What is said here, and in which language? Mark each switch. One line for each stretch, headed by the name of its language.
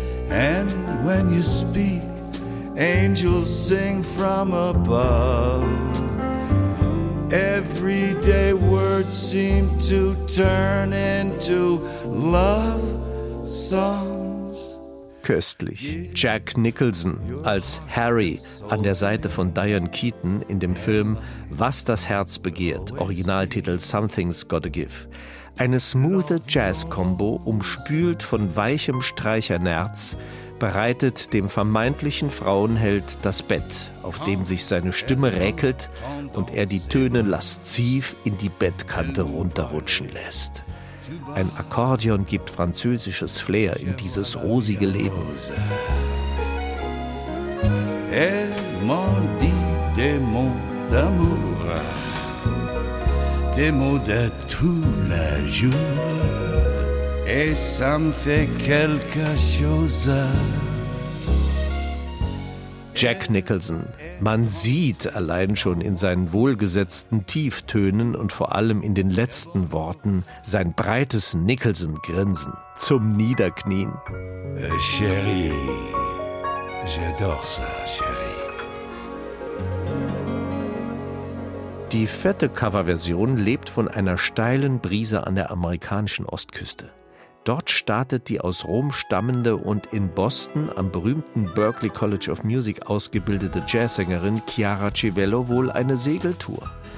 English: And when you speak, angels sing from above. Everyday words seem to turn into love songs.
German: Köstlich. Jack Nicholson als Harry an der Seite von Diane Keaton in dem Film Was das Herz begehrt, Originaltitel Something's Gotta Give. Eine smoothe Jazz-Kombo, umspült von weichem Streichernerz, bereitet dem vermeintlichen Frauenheld das Bett, auf dem sich seine Stimme räkelt und er die Töne lasziv in die Bettkante runterrutschen lässt. Ein Akkordeon gibt französisches Flair in dieses rosige Leben.
French: Elle m'a dit des mots d'amour, des mots de tous les jours, et ça me fait quelque chose.
German: Jack Nicholson. Man sieht allein schon in seinen wohlgesetzten Tieftönen und vor allem in den letzten Worten sein breites Nicholson-Grinsen zum Niederknien.
French: Chérie, j'adore ça, chérie.
German: Die fette Coverversion lebt von einer steilen Brise an der amerikanischen Ostküste. Dort startet die aus Rom stammende und in Boston am berühmten Berklee College of Music ausgebildete Jazzsängerin Chiara Civello wohl eine Segeltour.